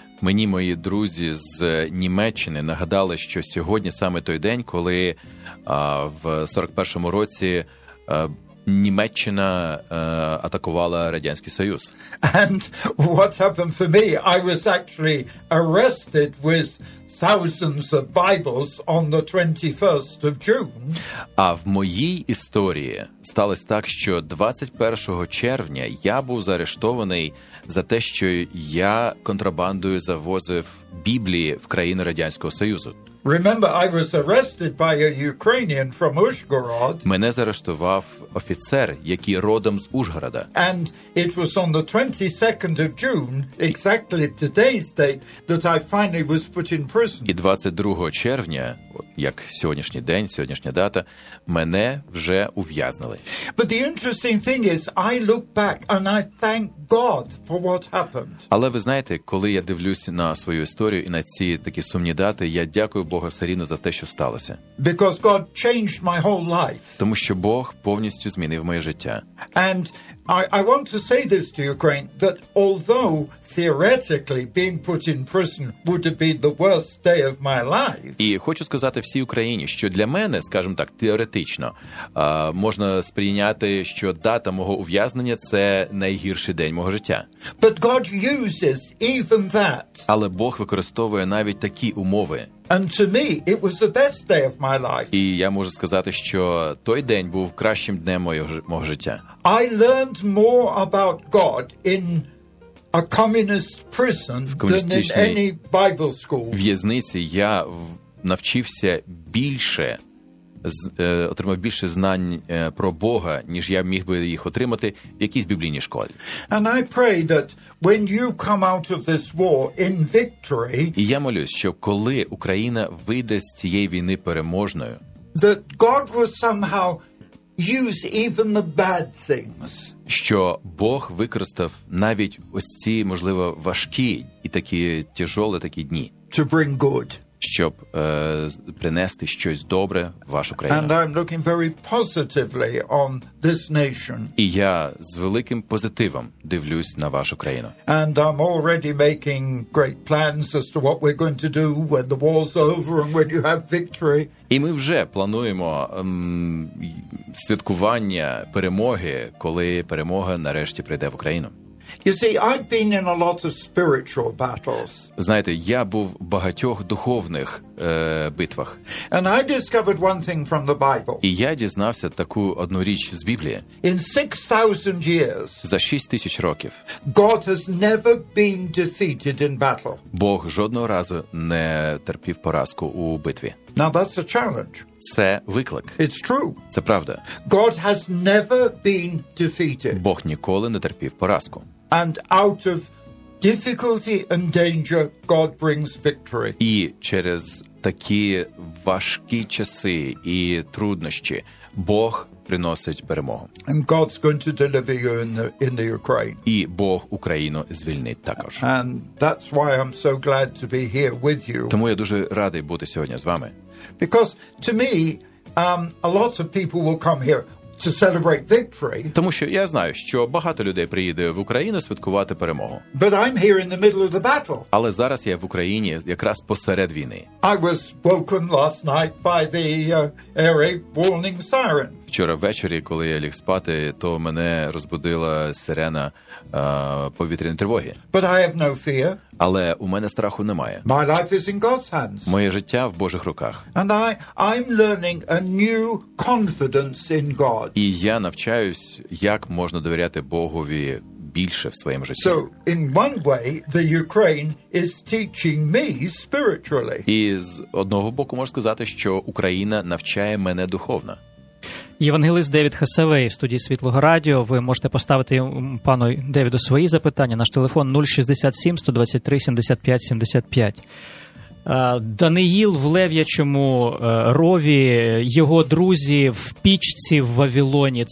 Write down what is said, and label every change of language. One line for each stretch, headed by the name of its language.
Ukrainian: Мені мої друзі з Німеччини нагадали, що сьогодні саме той день, коли в 41-му році Німеччина атакувала Радянський Союз.
English: And what happened for me? I was actually arrested with thousands of Bibles on the 21st of June.
Ukrainian: А в моїй історії сталося так, що 21 червня я був заарештований за те, що я контрабандою завозив Біблії в країни Радянського Союзу.
English: Remember, I was arrested by a Ukrainian from Ужгород.
Ukrainian: Мене заарештував офіцер, який родом з Ужгорода.
English: And it was on the 22nd of June, exactly today's date, that I finally was put in prison.
Ukrainian: І 22 червня, як сьогоднішній день, сьогоднішня дата, мене вже ув'язнили.
English: But the interesting thing is, I look back and I thank God for what happened.
Ukrainian: Але ви знаєте, коли я дивлюсь на свою історію і на ці такі сумні дати, я дякую Бога все рівно за те, що сталося.
English: Because God changed my whole life.
Ukrainian: Тому що Бог повністю змінив моє життя.
English: And I want to say this to Ukraine, that although theoretically being put in prison would have been the worst day of my life.
Ukrainian: І хочу сказати всій Україні, що для мене, скажімо так, теоретично, можна сприйняти, що дата мого ув'язнення – це найгірший день мого життя.
English: But God uses even that.
Ukrainian: Але Бог використовує навіть такі умови.
English: And to me, it was the best day of my life.
Ukrainian: І я можу сказати, що той день був кращим днем мого життя.
English: I learned more about God in a communist prison than in any Bible school.
Ukrainian: В в'язниці я навчився більше, отримав більше знань про Бога, ніж я міг би їх отримати в якійсь біблійній школі.
English: And I pray that when you come out of this war in victory,
Ukrainian: і я молюсь, що коли Україна вийде з цієї війни переможною,
English: that God will somehow use even the bad things.
Ukrainian: Що Бог використав навіть ось ці, можливо, важкі і такі тяжолі такі дні.
English: To bring good.
Ukrainian: Щоб принести щось добре в вашу країну.
English: And I'm looking very positively on this nation.
Ukrainian: І я з великим позитивом дивлюсь на вашу країну.
English: And I'm already making great plans as to what we're going to do when the war's over and when you have victory.
Ukrainian: І ми вже плануємо святкування перемоги, коли перемога нарешті прийде в Україну.
English: You see, I've been in a lot of spiritual battles.
Ukrainian: Знаєте, я був в багатьох духовних битвах.
English: And I discovered one thing from the Bible.
Ukrainian: І я дізнався таку одну річ з Біблії.
English: In 6,000 years.
Ukrainian: За 6,000 років.
English: God has never been defeated in battle.
Ukrainian: Бог жодного разу не терпів поразку у битві.
English: Now that's a challenge.
Ukrainian: Це виклик.
English: It's true.
Ukrainian: Це правда.
English: God has never been defeated.
Ukrainian: Бог ніколи не терпів поразку.
English: And out of difficulty and danger, God brings victory.
Ukrainian: І через такі важкі часи і труднощі Бог приносить перемогу.
English: And God's going to deliver you in the Ukraine.
Ukrainian: І Бог Україну звільнить також.
English: And that's why I'm so glad to be here with you.
Ukrainian: Тому я дуже радий бути сьогодні з вами.
English: Because to me, a lot of people will come here to celebrate victory.
Ukrainian: Тому що я знаю, що багато людей приїде в Україну святкувати перемогу.
English: But I'm here in the middle of the battle.
Ukrainian: Але зараз я в Україні якраз посеред війни.
English: I was woken last night by the air raid warning siren.
Ukrainian: Вчора ввечері, коли я ліг спати, то мене розбудила сирена повітряної тривоги.
English: But I have no fear.
Ukrainian: Але у мене страху немає.
English: My life is in God's hands.
Ukrainian: Моє життя в Божих руках.
English: And I'm learning a new confidence in God.
Ukrainian: І я навчаюсь, як можна довіряти Богові більше в своєму житті.
English: So, in one way, the Ukraine is teaching me spiritually.
Ukrainian: І з одного боку можу сказати, що Україна навчає мене духовно. Євангеліст Девід Хасавей в студії Світлого Радіо. Ви можете поставити пану Девіду свої запитання. Наш телефон 067-123-75-75. Даниїл в Лев'ячому рові, його друзі в пічці в Вавилоні.